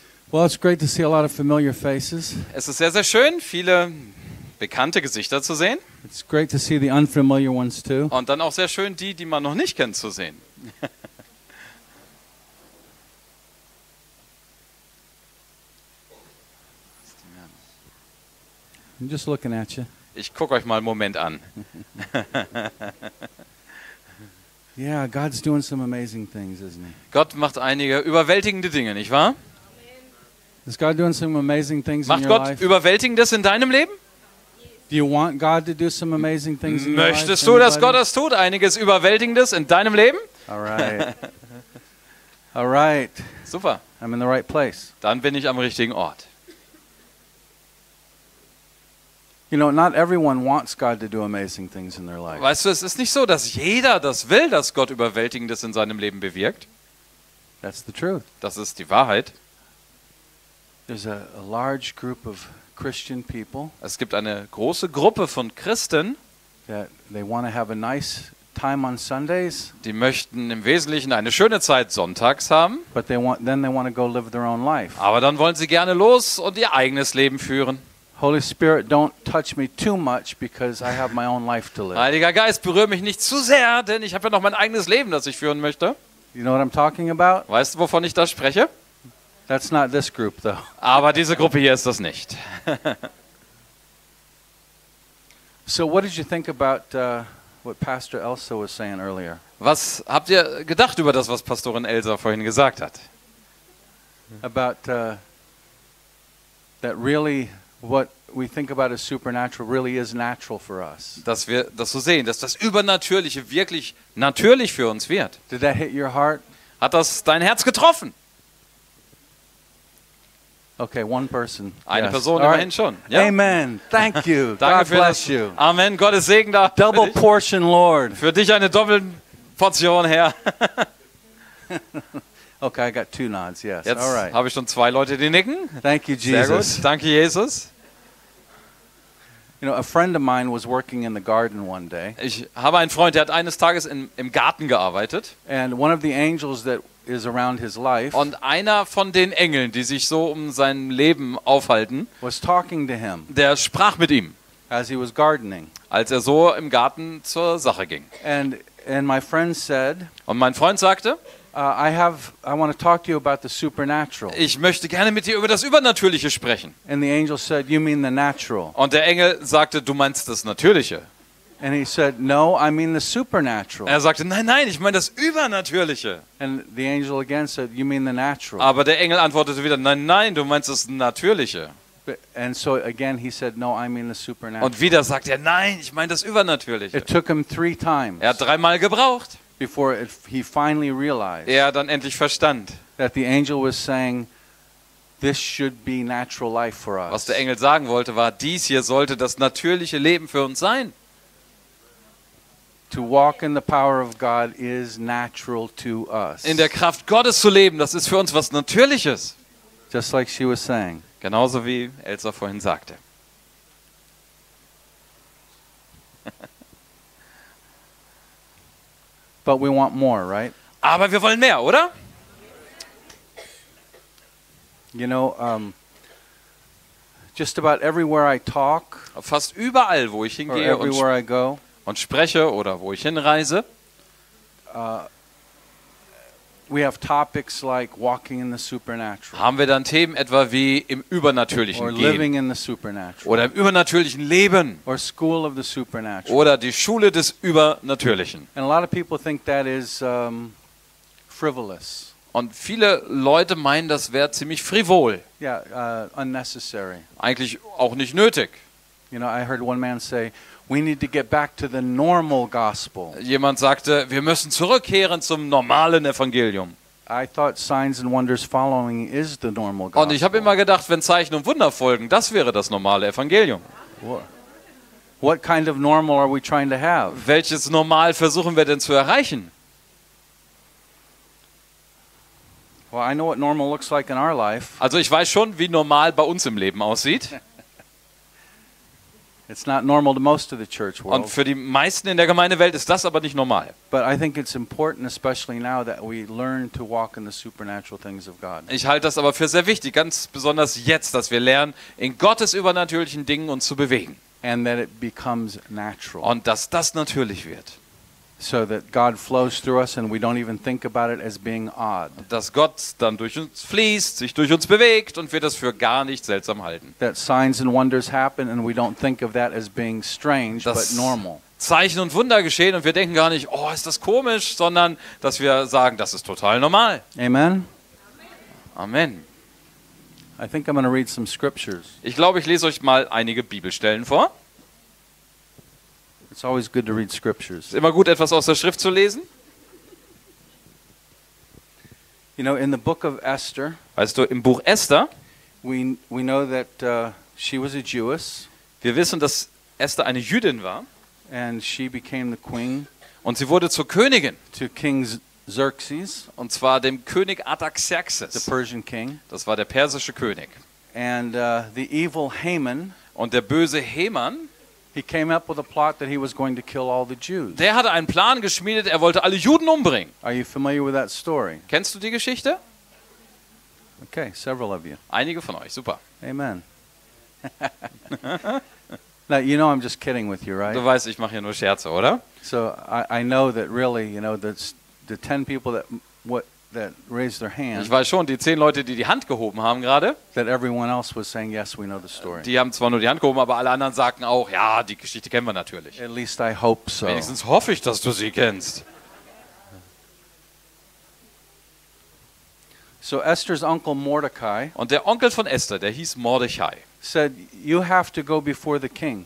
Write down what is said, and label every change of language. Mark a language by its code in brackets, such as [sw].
[en] Well, it's great to see a lot of familiar faces. [de] Es ist sehr, sehr schön, viele bekannte Gesichter zu sehen. [en] It's great to see the unfamiliar ones too. [de] Und dann auch sehr schön, die, die man noch nicht kennt, zu sehen. [en] I'm just looking at you. [de] Ich guck euch mal einen Moment an. [en] Yeah, God's doing some amazing things, isn't he? [de] Gott macht einige überwältigende Dinge, nicht wahr? [en] Is God doing some amazing things [de] macht [en] in [de] Gott [en] your life? [de] Überwältigendes in deinem Leben? [en] Do you want God to do some amazing things in [de] möchtest [en] your life, [de] du, anybody? Dass Gott das tut, einiges Überwältigendes in deinem Leben? [en] All right. All right. [de] Super. [en] I'm in the right place. [de] Dann bin ich am richtigen Ort. [en] You know, not everyone wants God to do amazing things in their life. [de] Weißt du, es ist nicht so, dass jeder das will, dass Gott Überwältigendes in seinem Leben bewirkt. [en] That's the truth. [de] Das ist die Wahrheit. [en] There's a large group of Christian people. [de] Es gibt eine große Gruppe von Christen. [en] They want to have a nice time on Sundays. [de] Die möchten im Wesentlichen eine schöne Zeit sonntags haben. [en] But they want to go live their own life. [de] Aber dann wollen sie gerne los und ihr eigenes Leben führen. [en] Holy Spirit, don't touch me too much because I have my own life to live. [de] Heiliger Geist, berühre mich nicht zu sehr, denn ich habe ja noch mein eigenes Leben, das ich führen möchte. [en] You know what I'm talking about? [de] Weißt du, wovon ich da spreche? [en] That's not this group, though. [de] Aber diese Gruppe hier ist das nicht. [en] So, what did you think about what Pastor Elsa was saying earlier? [de] Was habt ihr gedacht über das, was Pastorin Elsa vorhin gesagt hat? [en] About that really what we think about as supernatural really is natural for us. [de] Dass wir das so sehen, dass das Übernatürliche wirklich natürlich für uns wird. [en] Did that hit your heart? [de] Hat das dein Herz getroffen? [en] Okay, one person. [de] Eine yes. Person immerhin right. Schon. Ja. [en] Amen. Thank you. [de] Danke [en] God [de] für [en] bless [de] das. [en] You. [de] Amen. Gottes Segen da. [en] Double [de] für dich. [en] Portion, Lord. [de] Für dich eine doppelte Portion, Herr. [en] Okay, I got two nods. Yes. [de] Jetzt [en] all right. [de] Habe ich schon zwei Leute, die nicken. [en] Thank you, Jesus. [de] Sehr gut. Danke, Jesus. [en] You know, a friend of mine was working in the garden one day. [de] Ich habe einen Freund, der hat eines Tages im Garten gearbeitet. [en] And one of the angels that is around his life. [de] Und einer von den Engeln, die sich so um sein Leben aufhalten, [en] was talking to him. [de] Der sprach mit ihm, [en] as he was gardening. [de] Als er so im Garten zur Sache ging. [en] And my friend said. [de] Und mein Freund sagte, [en] I want to talk to you about the supernatural. [de] Ich möchte gerne mit dir über das Übernatürliche sprechen. [en] And the angel said, you mean the natural. [de] Und der Engel sagte, du meinst das Natürliche. [en] And he said, no, I mean the supernatural. [de] Er sagte, nein, nein, ich meine das Übernatürliche. [en] And the angel again said, you mean the natural. [de] Aber der Engel antwortete wieder, nein, nein, du meinst das Natürliche. [en] And so again he said, no, I mean the supernatural. [de] Und wieder sagte er, nein, ich meine das Übernatürliche. [en] It took him three times. [de] Er hat dreimal gebraucht, [en] before he finally realized. [de] Er dann endlich verstand, [en] that the angel was saying, this should be natural life for us. [de] Was der Engel sagen wollte, war, dies hier sollte das natürliche Leben für uns sein. [en] To walk in the power of God is natural to us. [de] In der Kraft Gottes zu leben, das ist für uns was Natürliches. [en] Just like she was saying. [de] Genauso wie Elsa vorhin sagte. [en] But we want more, right? [de] Aber wir wollen mehr, oder? [en] You know, just about everywhere I talk, [de] fast überall, wo ich hingehe, [en] or everywhere I go, [de] und spreche oder wo ich hinreise, [en] we have topics like walking in the supernatural, [de] haben wir dann Themen etwa wie im Übernatürlichen [en] or [de] gehen, [en] living in the supernatural, [de] oder im Übernatürlichen leben, [en] or school of the supernatural, [de] oder die Schule des Übernatürlichen. [en] And a lot of people think that is frivolous. [de] Und viele Leute meinen, das wäre ziemlich frivol, [en] yeah, unnecessary, [de] eigentlich auch nicht nötig. [en] You know, I heard one man say, we need to get back to the normal gospel. [de] Jemand sagte, wir müssen zurückkehren zum normalen Evangelium. [en] I thought signs and wonders following is the normal gospel. [de] Und ich habe immer gedacht, wenn Zeichen und Wunder folgen, das wäre das normale Evangelium. [en] What kind of normal are we trying to have? [de] Welches Normal versuchen wir denn zu erreichen? [en] Well, I know what normal looks like in our life. [de] Also ich weiß schon, wie normal bei uns im Leben aussieht. [en] It's not normal to most of the church world. [de] Und für die meisten in der Gemeindewelt ist das aber nicht normal. [en] But I think it's important, especially now, that we learn to walk in the supernatural things of God. [de] Ich halte das aber für sehr wichtig, ganz besonders jetzt, dass wir lernen, in Gottes übernatürlichen Dingen uns zu bewegen. [en] And that it becomes natural. [de] Und dass das natürlich wird. [en] So that God flows through us and we don't even think about it as being odd. [de] Dass Gott dann durch uns fließt, sich durch uns bewegt und wir das für gar nicht seltsam halten. [en] That signs and wonders happen and we don't think of that as being strange, [de] dass [en] but normal. [de] Zeichen und Wunder geschehen und wir denken gar nicht, oh, ist das komisch, sondern dass wir sagen, das ist total normal. [en] Amen. [de] Amen. [en] I think I'm going to read some scriptures. [de] Ich glaube, ich lese euch mal einige Bibelstellen vor. [en] It's always good to read scriptures. [de] Es ist immer gut, etwas aus der Schrift zu lesen. [en] You know, in the book of Esther, [de] weißt du, im Buch Esther, [en] we know that she was a Jewess. [de] Wir wissen, dass Esther eine Jüdin war. [en] And she became the queen. [de] Und sie wurde zur Königin. [en] To King Xerxes. [de] Und zwar dem König Artaxerxes. [en] The Persian king. [de] Das war der persische König. [en] And the evil Haman. [de] Und der böse Haman. [en] He came up with a plot that he was going to kill all the Jews. [de] Der hatte einen Plan geschmiedet, er wollte alle Juden umbringen. [en] Are you familiar with that story? [de] Kennst du die Geschichte? [en] Okay, several of you. [de] Einige von euch, super. [en] Amen. Now, you know I'm just kidding with you, right? [de] Du weißt, ich mache hier nur Scherze, oder? [en] So I know that really, you know, the 10 people that raised their hand. [de] Ich weiß schon, die 10 Leute, die Hand gehoben haben gerade. [en] That everyone else was saying yes, we know the story. [de] Die haben zwar nur die Hand gehoben, aber alle anderen sagten auch, ja, die Geschichte kennen wir natürlich. [en] At least I hope so. [de] Wenigstens hoffe ich, dass du sie kennst. [en] So Esther's uncle Mordecai. [de] Und der Onkel von Esther, der hieß Mordechai. [en] Said you have to go before the king.